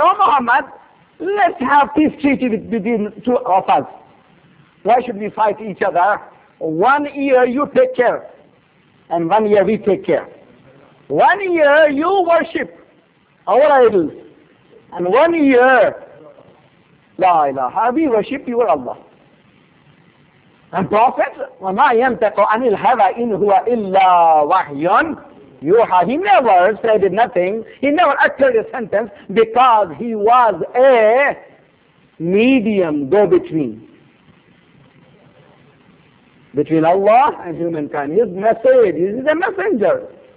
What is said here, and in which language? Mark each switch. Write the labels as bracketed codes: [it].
[en] Oh Muhammad, let's have peace treaty between two of us. Why should we fight each other? 1 year, you take care. and 1 year we take care. 1 year you worship our idols, and 1 year, la ilaha, we worship your Allah. And Prophet, [ar] وَمَا يَمْتَقُ عَنِ الْهَوَىٰ إِنْ هُوَ إِلَّا وَحْيٌ يُوحَىٰ. [en] He never said nothing. He never uttered a sentence because he was a medium go-between. Between Allah and humankind. His message, he is a messenger.